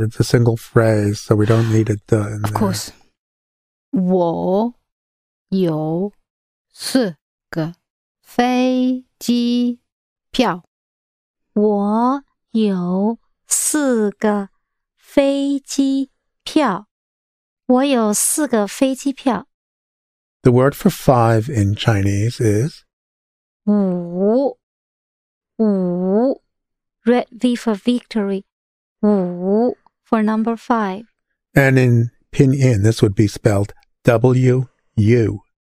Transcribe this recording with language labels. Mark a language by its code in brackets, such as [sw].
[en] It's a single phrase, so we don't need a "the" in there. Of course. [zh] 我有 四个飞机票。我有四个飞机票。我有四个飞机票。 [en] The word for 5 in Chinese is [zh] 五。五。 [en] Red V for victory. 五 for number 5. And in pinyin, this would be spelled W-U.